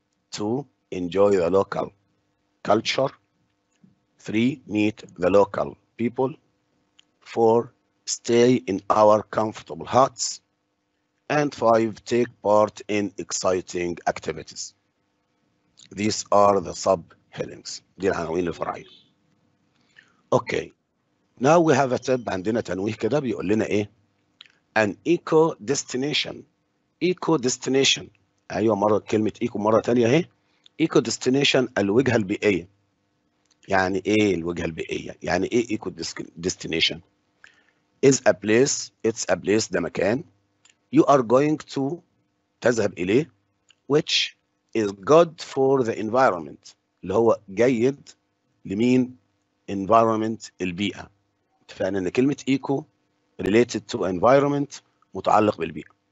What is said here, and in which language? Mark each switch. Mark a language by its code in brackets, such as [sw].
[en] Two, enjoy the local culture. Three, meet the local people. Four, stay in our comfortable huts. And five, take part in exciting activities. These are the subheadings. [ar] دي العناوين الفرعية. [en] Okay. Now we have a tip. [ar] عندنا تنويه كده بيقول لنا إيه؟ [en] An eco destination. Eco destination. [ar] أيوة مرة كلمة eco مرة تانية إيه؟ Eco destination الوجهة البيئية. يعني إيه الوجهة البيئية؟ يعني إيه [en] eco destination؟ Is a place. It's a place. [ar] ده مكان. [en] You are going to [ar] تذهب إليه [en] which is good for the environment [ar] اللي هو جيد لمين [en] environment [ar] البيئة اتفقنا إن كلمة [en] eco related to environment [ar] متعلق بالبيئة